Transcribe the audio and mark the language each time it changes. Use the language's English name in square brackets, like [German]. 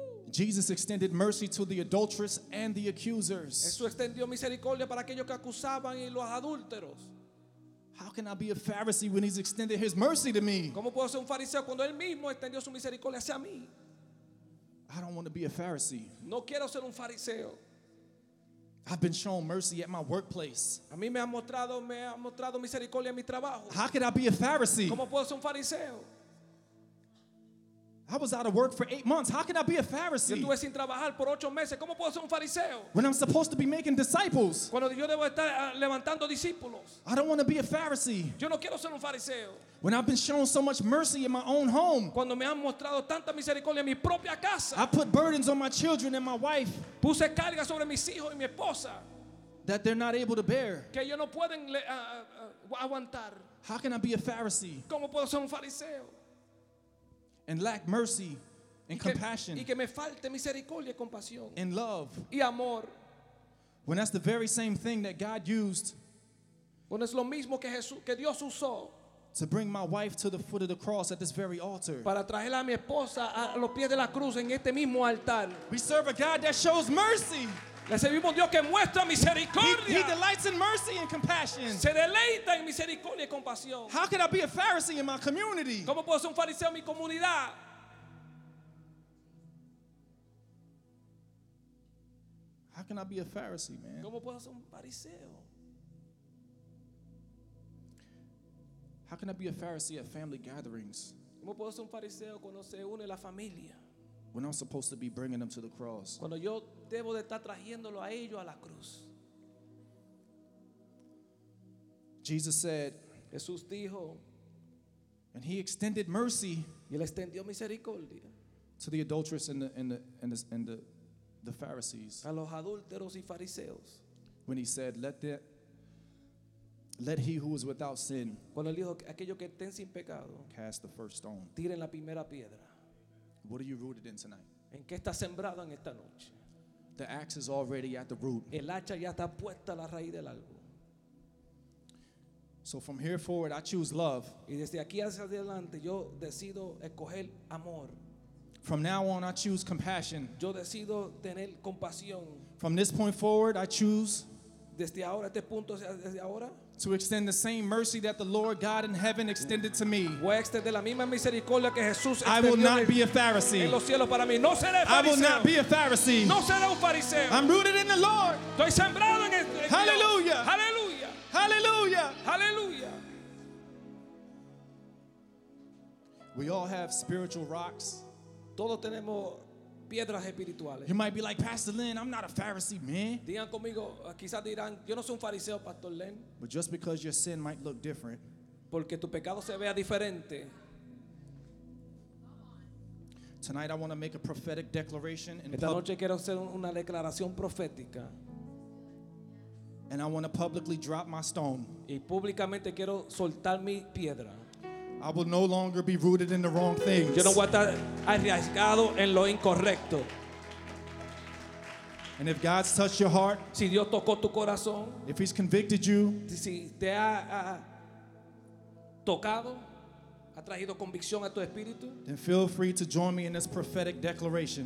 [English] Jesus extended mercy to the adulteress and the accusers. [Spanish] Jesús extendió misericordia para aquellos que acusaban y los adúlteros. [English] How can I be a Pharisee when He's extended His mercy to me? [Spanish] ¿Cómo puedo ser un fariseo cuando Él mismo extendió su misericordia hacia mí? [English] I don't want to be a Pharisee. [Spanish] No quiero ser un fariseo. [English] I've been shown mercy at my workplace. [Spanish] A mí me ha mostrado misericordia en mi trabajo. [English] How could I be a Pharisee? [Spanish] ¿Cómo puedo ser un fariseo? [English] I was out of work for 8 months. How can I be a Pharisee? [Spanish] Yo estuve sin trabajar por 8 meses. ¿Cómo puedo ser un fariseo? [English] When I'm supposed to be making disciples. [Spanish] Cuando yo debo estar levantando discípulos. [English] I don't want to be a Pharisee. [Spanish] Yo no quiero ser un fariseo. [English] When I've been shown so much mercy in my own home. [Spanish] Cuando me han mostrado tanta misericordia en mi propia casa. [English] I put burdens on my children and my wife. [Spanish] Puse cargas sobre mis hijos y mi esposa. [English] That they're not able to bear. [Spanish] Que ellos no pueden aguantar. [English] How can I be a Pharisee? [Spanish] ¿Cómo puedo ser un fariseo? [English] And lack mercy and compassion. [Spanish] Y que me falte misericordia y compasión. [English] And love. [Spanish] Y amor. [English] When that's the very same thing that God used. [Spanish] Bueno, es lo mismo que Jesús, que Dios usó. [English] To bring my wife to the foot of the cross at this very altar. [Spanish] Para traerla a mi esposa a los pies de la cruz en este mismo altar. [English] We serve a God that shows mercy. [Spanish] Le servimos a Dios que muestra misericordia. [English] He delights in mercy and compassion. [Spanish] Se deleita en misericordia y compasión. [English] How can I be a Pharisee in my community? [Spanish] ¿Cómo puedo ser un fariseo en mi comunidad? [English] How can I be a Pharisee, man? [Spanish] ¿Cómo puedo ser un fariseo? [English] How can I be a Pharisee at family gatherings? [Spanish] ¿Cómo puedo ser un fariseo cuando se une la familia? [English] When I'm supposed to be bringing them to the cross. [Spanish] Cuando yo debo de estar trayéndolo a ellos a la cruz. [English] Jesus said, [Spanish] Jesús dijo, [English] and he extended mercy. [Spanish] Y él extendió misericordia. [English] To the adulterers and the Pharisees. [Spanish] A los adúlteros y fariseos. [English] When he said, let he who is without sin. [Spanish] Cuando él dijo aquellos que estén sin pecado. [English] Cast the first stone. [Spanish] Tiren la primera piedra. [English] What are you rooted in tonight? [Spanish] ¿En qué está sembrado en esta noche? [English] The axe is already at the root. [Spanish] El hacha ya está puesta a la raíz del algo. [English] So from here forward, I choose love. [Spanish] Y desde aquí hacia adelante, yo decido escoger amor. [English] From now on, I choose compassion. [Spanish] Yo decido tener compasión. [English] From this point forward, I choose. [Spanish] Desde ahora, este punto, desde ahora. [English] To extend the same mercy that the Lord God in heaven extended to me. [Spanish] Voy a extender la misma misericordia que Jesús extendió. [English] I will not be a Pharisee. [Spanish] En los cielos para mí. No seré fariseo. [English] I will not be a Pharisee. [Spanish] No seré un fariseo. [English] I'm rooted in the Lord. [Spanish] Estoy sembrado en el [English] Hallelujah. [Spanish] Dios. Hallelujah. [English] Hallelujah. [Spanish] Hallelujah. [English] We all have spiritual rocks. [Spanish] Todos tenemos piedras espirituales. [English] You might be like, Pastor Len, I'm not a Pharisee, man. [Spanish] Digan conmigo, quizás dirán, yo no soy un fariseo, Pastor Len. [English] But just because your sin might look different. [Spanish] Porque tu pecado se vea diferente. [English] Tonight I want to make a prophetic declaration. [Spanish] Esta noche quiero hacer una declaración profética. [English] And I want to publicly drop my stone. [Spanish] Y públicamente quiero soltar mi piedra. [English] I will no longer be rooted in the wrong things. [Spanish] Yo no voy a estar arriesgado en lo incorrecto. [English] And if God's touched your heart, [Spanish] si Dios tocó tu corazón, [English] if He's convicted you, [Spanish] si te ha tocado, ha traído convicción a tu espíritu, [English] then feel free to join me in this prophetic declaration.